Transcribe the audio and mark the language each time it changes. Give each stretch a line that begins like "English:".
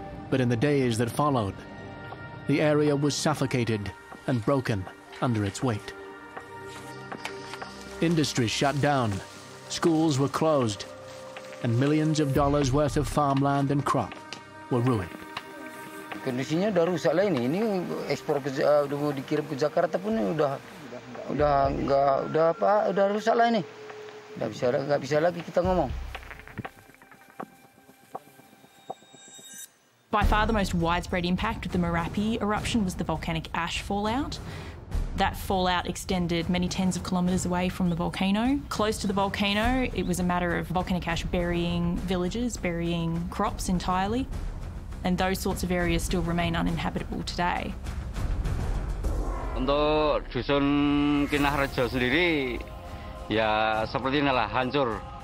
English: But in the days that followed, the area was suffocated and broken under its weight. Industries shut down, schools were closed, and millions of dollars worth of farmland and crop were ruined.
Indonesian: Kondisinya udah rusak lah ini ekspor ke dikirim ke Jakarta pun udah rusak lah ini. Enggak bisa lagi kita ngomong.
English: By far the most widespread impact of the Merapi eruption was the volcanic ash fallout. That fallout extended many tens of kilometers away from the volcano. Close to the volcano, it was a matter of volcanic ash burying villages, burying crops entirely. And those sorts of areas still remain uninhabitable today.
Indonesian: Untuk dusun Kinahrejo sendiri, ya seperti inilah, hancur.